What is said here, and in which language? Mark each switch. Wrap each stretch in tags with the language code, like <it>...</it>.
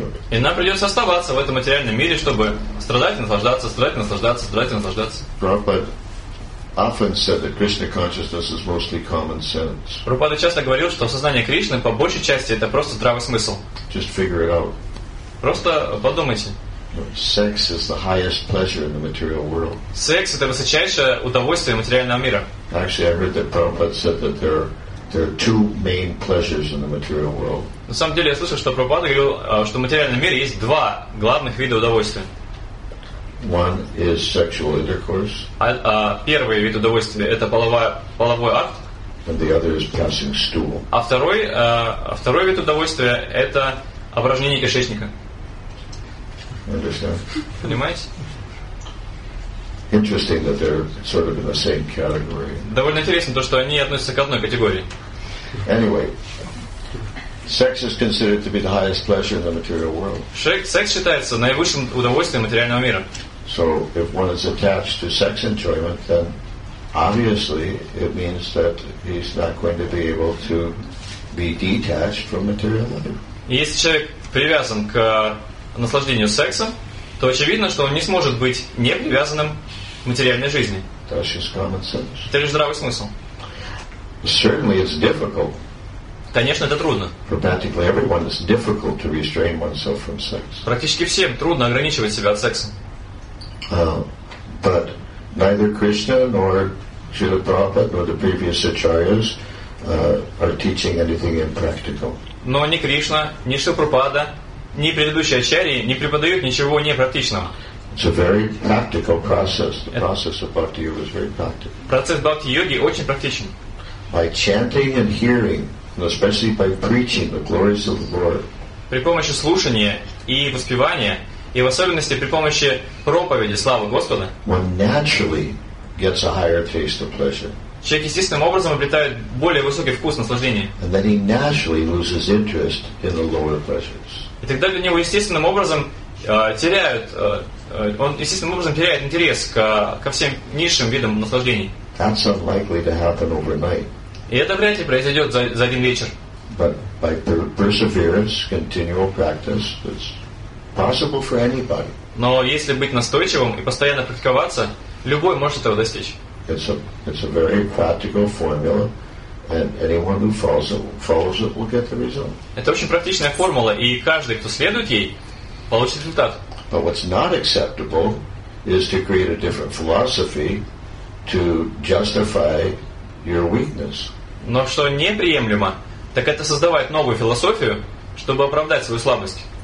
<ru>И нам придется оставаться в этом материальном мире, чтобы страдать и наслаждаться, страдать и наслаждаться, страдать и наслаждаться.</ru> <en>Often said that Krishna consciousness is mostly common sense.</en> <ru>Прабхупада часто говорил, что сознание Кришны по большей части это просто здравый смысл.</ru> <en>Just figure it out.</en> <ru>Просто подумайте.</ru> <en>Sex is the highest pleasure in the material world.</en> <ru>Sex это высочайшее удовольствие материального мира.</ru> <en>Actually, I heard that Prabhupada said that there are two main pleasures in the material world.</en> <ru>На самом деле я слышал, что Прабхупада говорил, что в материальном мире есть два главных вида удовольствия.</ru> <en>One is sexual intercourse.</en> <ru>Первый вид удовольствия это половой акт.</ru> <en>And the other is passing stool.</en> <ru>А второй вид удовольствия это упражнение кишечника.</ru> <en>Understand?</en> <ru>Понимаете?</ru> <en>Interesting that they're sort of in the same category.</en> <ru>Довольно интересно то, что они относятся к одной категории.</ru> <en>Anyway, sex is considered to be the highest pleasure in the material world.</en> <ru>Секс считается наивысшим удовольствием материального мира.</ru> <en>So if one is attached to sex enjoyment, then obviously it means that he's not going to be able to be detached from material life.</en> <ru>Если человек привязан к наслаждению сексом, то очевидно, что он не сможет быть не привязанным к материальной жизни. Это лишь здравый смысл.</ru> <en>Certainly it's difficult.</en> <ru>Конечно, это трудно.</ru> <en>Practically everyone is difficult to restrain oneself from sex.</en> <ru>Практически всем трудно ограничивать себя от секса.</ru> <en>But neither Krishna nor Srila Prabhupada nor the previous acharyas are teaching anything impractical.</en> <ru>Но ни Кришна, ни Шрила Прабхупада, ни предыдущие ачарьи не преподают ничего непрактичного.</ru> <en>It's a very practical process. The process of bhakti yoga is very practical.</en> <ru>Процесс бхакти йоги очень практичен.</ru> <en>By chanting and hearing, especially by preaching the glories of the Lord.</en> <ru>При помощи слушания и воспевания. И в особенности при помощи проповеди славы Господа.</ru> <en>One naturally gets a higher taste of pleasure.</en> <ru>Человек естественным образом обретает более высокий вкус наслаждения.</ru> <en>And then he naturally loses interest in the lower pleasures.</en> <ru>И тогда для него естественным образом он естественным образом теряет интерес ко всем низшим видам наслаждений.</ru> <en>That's unlikely to happen overnight.</en> <ru>И это вряд ли произойдет за один вечер.</ru> <en>But by perseverance, continual practice, it's possible for anybody.</en> <ru>Но если быть настойчивым и постоянно практиковаться, любой может этого достичь.</ru> <en>It's a very practical formula, and anyone who follows it will get the result.</en> <ru>Это очень практичная формула, и каждый, кто следует ей, получит результат.</ru> <en>But what's not acceptable is to create a different philosophy to justify your weakness.</en> <ru>Но что неприемлемо, так это создавать новую философию, чтобы оправдать свою слабость.</ru>